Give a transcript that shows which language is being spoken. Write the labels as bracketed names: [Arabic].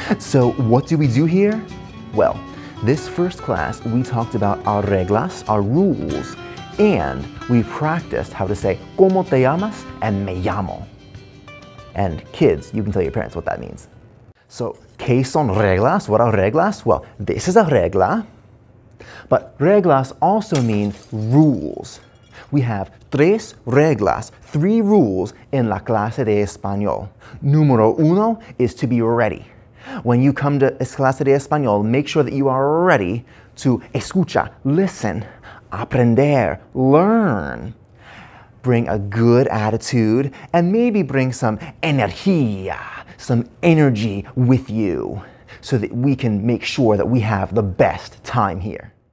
[English] So, what do we do here? Well, this first class, we talked about our [Spanish] reglas, [English] our rules, and we practiced how to say, [Spanish] ¿Cómo te llamas? [English] And [Spanish] me llamo. [English] And kids, you can tell your parents what that means. So, [Spanish] ¿qué son reglas? [English] What are reglas? Well, this is a regla. But reglas also mean rules. We have [Spanish] tres reglas, [English] three rules in [Spanish] la clase de español. Número uno [English] is to be ready. When you come to [Spanish] clase de español, [English] make sure that you are ready to [Spanish] escucha, [English] listen, [Spanish] aprender, [English] learn. Bring a good attitude and maybe bring some [Spanish] energía, [English] some energy with you so that we can make sure that we have the best time here.